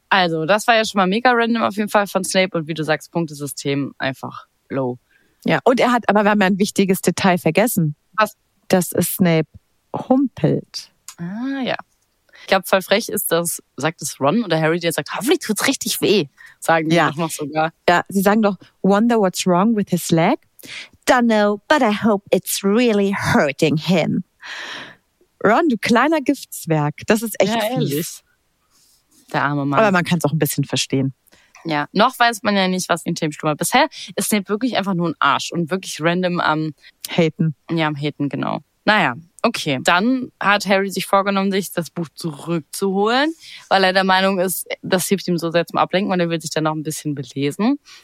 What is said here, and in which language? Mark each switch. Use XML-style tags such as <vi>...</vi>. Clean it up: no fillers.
<de>Also, das war ja schon mal mega random auf jeden Fall von Snape und wie du sagst, Punktesystem einfach low. Ja, und er hat, aber wir haben ja ein wichtiges Detail vergessen. Was? Dass es Snape humpelt. Ah, ja. Ich glaube, voll frech ist das, sagt es Ron oder Harry, der sagt, hoffentlich tut's richtig weh, sagen ja. Die doch noch sogar. Ja, sie sagen doch,</de> <en>wonder what's wrong with his leg? Don't know, but I hope it's really hurting him.</en> <de>Ron, du kleiner Giftzwerg, das ist echt fies. Der arme Mann. Aber man kann es auch ein bisschen verstehen. Ja, noch weiß man ja nicht, was in dem Sturm war. Bisher ist Snape wirklich einfach nur ein Arsch und wirklich random am Haten. Ja, am Haten, genau. Naja. Okay, dann hat Harry sich vorgenommen, sich das Buch zurückzuholen, weil er der Meinung ist, das hilft ihm so sehr zum Ablenken und er will sich dann noch ein bisschen belesen.</de>